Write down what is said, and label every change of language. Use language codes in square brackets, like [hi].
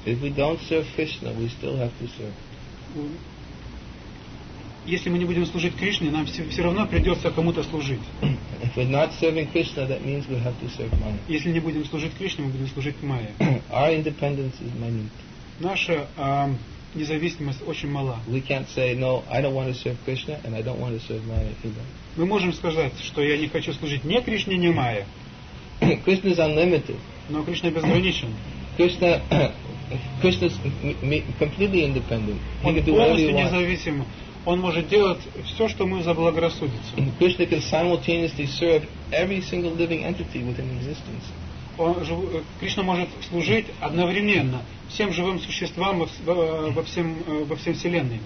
[en] If we don't serve Krishna, we still have to serve. [ru] Если мы не будем служить Кришне, нам все равно придется кому-то служить. [en] If we're not serving Krishna, that means we have to serve Maya. [ru] Если не будем служить Кришне, мы будем служить Майе. [en] Our independence is minute. [ru] Наша независимость очень мала. [en] We can't say, no, I don't want to serve Krishna and I don't want to serve Maya either. [ru] Мы можем сказать, что я не хочу служить ни Кришне, ни Майе. [en] Krishna is unlimited. [ru] Но Кришна безграничен. [en] Krishna Krishna is completely independent. [ru] Он полностью независим. Он может делать все, что ему заблагорассудится. [en] And Krishna can simultaneously serve every single living entity within existence. [ru] Кришна может служить одновременно всем живым существам во всем вселенной.